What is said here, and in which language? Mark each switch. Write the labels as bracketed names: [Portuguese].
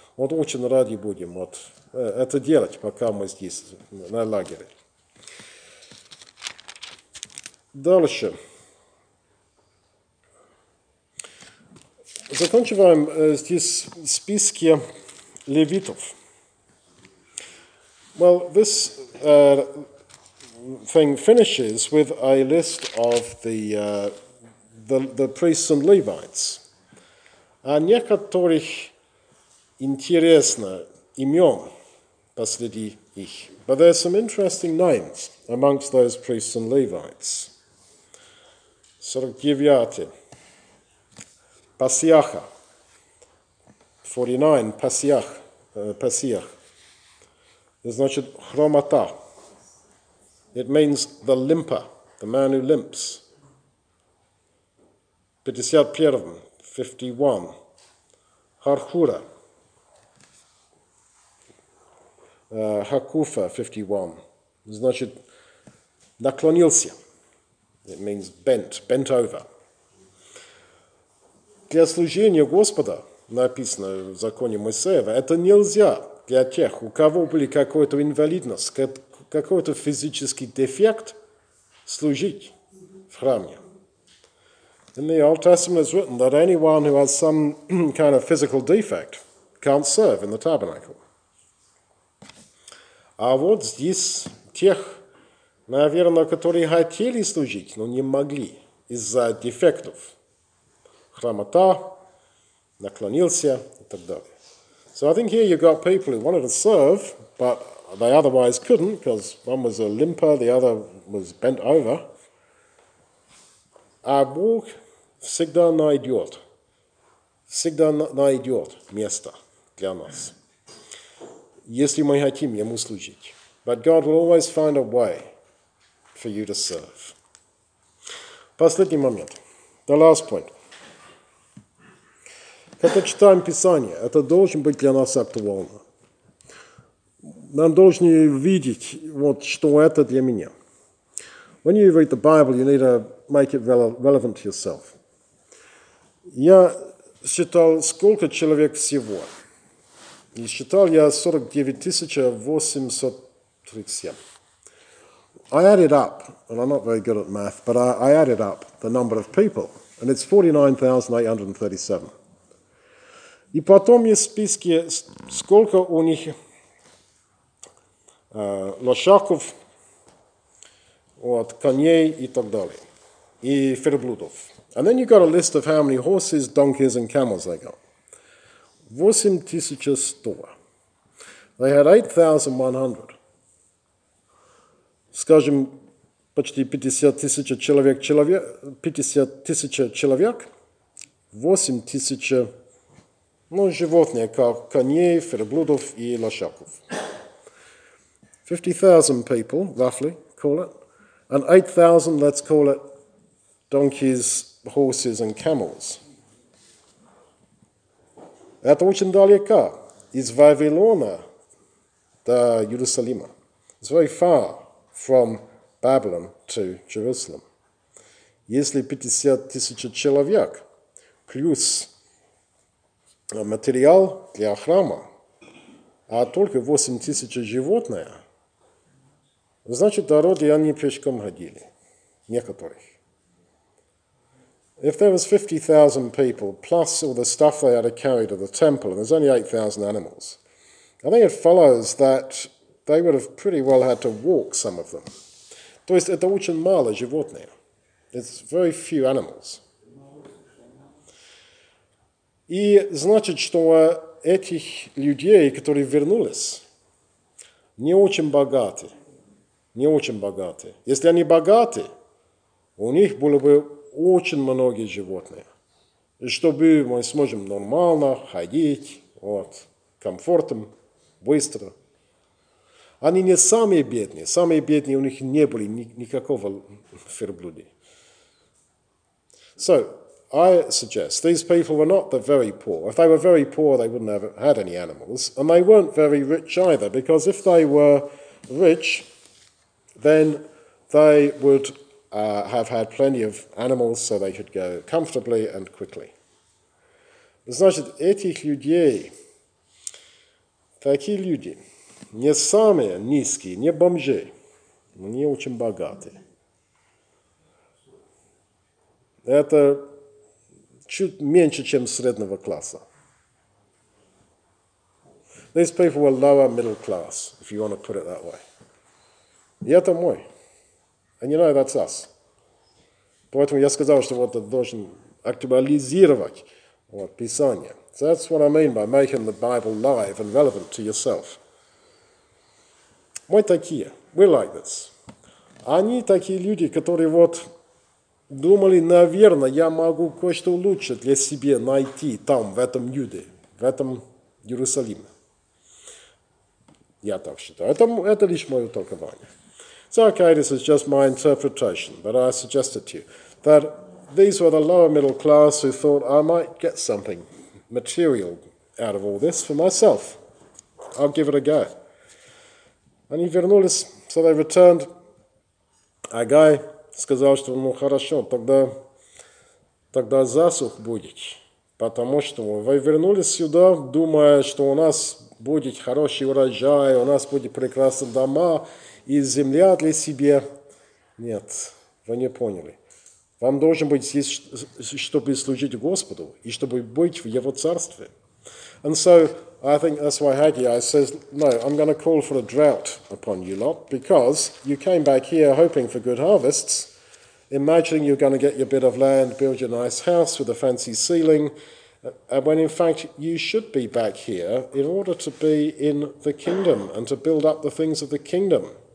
[Russian] Вот очень рады будем вот, это делать, пока мы здесь, на лагере. Дальше. Заканчиваем здесь списки левитов. [English] Well, this thing finishes with a list of the priests and Levites. [Russian] А некоторых интересно имен посреди их. [English] But there are some interesting names amongst those priests and Levites. [Russian] 49. Пасиаха, 49, Пасиах, Пасиах, значит, хромота. [English] It means the limper, the man who limps. [Russian] 51, 51, Хархура, Хакуфа, 51, значит, наклонился. [English] It means bent over. [Russian] Для служения Господа, написано в законе Моисеева, это нельзя для тех, у кого были какой-то инвалидность, какой-то физический дефект, служить в храме. [English] In the Old Testament it's written that anyone who has some kind of physical defect can't serve in the tabernacle. [Russian] А вот здесь тех, наверное, которые хотели служить, но не могли из-за дефектов. Хромота, наклонился и так далее. [English] So I think here you got people who wanted to serve, but they otherwise couldn't, because one was a limper, the other was bent over. [Russian] А Бог всегда найдет место для нас, если мы хотим Ему служить. [English] But God will always find a way for you to serve. [Russian] Последний момент. [English] The last point. [Russian] Когда читаем Писание, это должен быть для нас актуально. Нам должны видеть, вот, что это для меня. [English] when you read the Bible, you need to make it relevant to yourself. [Russian] Я считал, сколько человек всего. И считал я 49,837. [English] I added up, and I'm not very good at math, but I added up the number of people, and it's 49,837. [Russian] И потом есть в списке, сколько у них лошаков, от коней и так далее, и верблюдов. [English] And then you got a list of how many horses, donkeys, and camels they got. [Russian] 8,100. [English] They had 8,100. [Russian] Скажем, почти 50,000 человек, 50,000 человек, 8,000, ну, животных, как коней, верблюдов и лошаков. [English] 50,000 people, roughly, call it. And 8,000, let's call it donkeys, horses and camels. [Russian] Это очень далеко. Из Вавилона до Иерусалима. [English] It's very far from Babylon to Jerusalem. [Russian] Если 50,000 человек плюс материал для храма, а только 8,000 животных, значит, дороги они пешком ходили. Некоторых. [English] If there was 50,000 people, plus all the stuff they had to carry to the temple, and there's only 8,000 animals, I think it follows that they would have pretty well had to walk, some of them. [Russian] То есть это очень мало животных. [English] It's very few animals. [Russian] И значит, что этих людей, которые вернулись, не очень богаты. Не очень богаты. Если они богаты, у них было бы очень многие животные. И чтобы мы сможем нормально ходить, вот, комфортом, быстро. Они не самые бедные. Самые бедные у них не были никакого верблюда. [English] So, I suggest, these people were not the very poor. If they were very poor, they wouldn't have had any animals. And they weren't very rich either, because if they were rich, then they would have had plenty of animals so they could go comfortably and quickly. [Russian] Значит, этих людей, такие люди, не самые низкие, не бомжи, но не очень богатые. Это чуть меньше, чем среднего класса. [English] These people were lower middle class, if you want to put it that way. [Russian] И это мой. [English] And you know, that's us. [Russian] Поэтому я сказал, что вот это должен актуализировать вот, Писание. [English] So that's what I mean by making the Bible live and relevant to yourself. [Russian] Мы такие. [English] We're like this. [Russian] Они такие люди, которые вот думали, наверное, я могу кое-что лучше для себя найти там, в этом Юде, в этом Иерусалиме. Я так считаю. Это лишь мое толкование. [English] So, okay, this is just my interpretation, but I suggest it to you that these were the lower middle class who thought I might get something material out of all this for myself. I'll give it a go. And he [Russian] вернулись, [English] so they returned. [Russian] A guy сказал, что ему хорошо, тогда засух будет, потому что вы вернулись сюда, думая, что у нас будет хороший урожай, у нас будет прекрасные дома. И земля для себя. Нет, вы не поняли. Вам должен быть здесь, чтобы служить Господу и чтобы быть в Его Царстве. [English] And so, I think that's why Haggai says, no, I'm going to call for a drought upon you lot, because you came back here hoping for good harvests, imagining you're going to get your bit of land, build your nice house with a fancy ceiling, when in fact you should be back here in order to be in the kingdom and to build up the things of the kingdom.